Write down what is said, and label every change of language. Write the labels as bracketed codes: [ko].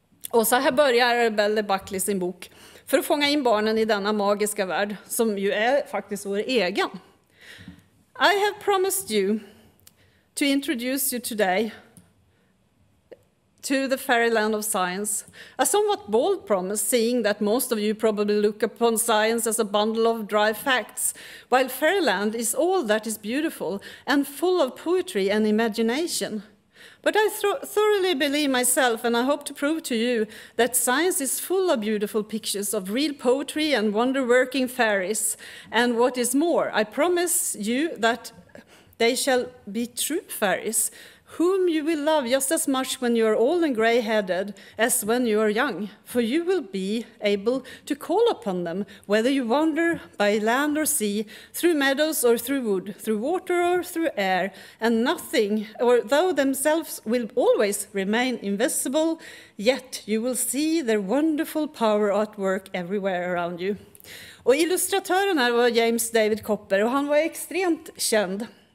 [sv] Och så här börjar Arabella Buckley sin bok. För att fånga in barnen i denna magiska värld, som ju är faktiskt vår egen. [en] I have promised you to introduce you today to the fairyland of science. A somewhat bold promise, seeing that most of you probably look upon science as a bundle of dry facts, while fairyland is all that is beautiful and full of poetry and imagination. But I thoroughly believe myself, and I hope to prove to you, that science is full of beautiful pictures of real poetry and wonder-working fairies. And what is more, I promise you that they shall be true fairies, whom you will love just as much when you are old and gray-headed as when you are young, for you will be able to call upon them, whether you wander by land or sea, through meadows or through wood, through water or through air, and nothing, or though themselves will always remain invisible, yet you will see their wonderful power at work everywhere around you. [sv] Och illustratören här var James David Copper, och han var extremt känd.